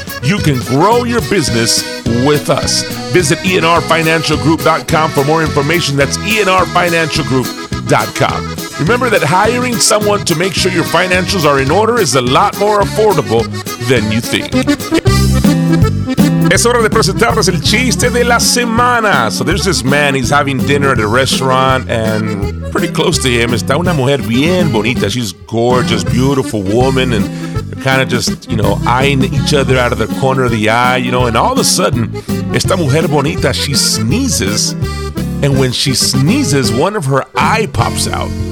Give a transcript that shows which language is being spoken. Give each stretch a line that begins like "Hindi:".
English: You can grow your business with us. Visit enrfinancialgroup.com for more information. That's enrfinancialgroup.com. Remember that hiring someone to make sure your financials are in order is a lot more affordable than you think.
Spanish: Es hora de presentarles el chiste de la semana.
English: So there's this man, he's having dinner at a restaurant, and pretty close to him
Spanish: está una mujer bien bonita.
English: She's gorgeous, beautiful woman, and they're kind of just, you know, eyeing each other out of the corner of the eye, you know. And all of a sudden,
Spanish: esta mujer bonita,
English: she sneezes, and when she sneezes, one of her eye pops out.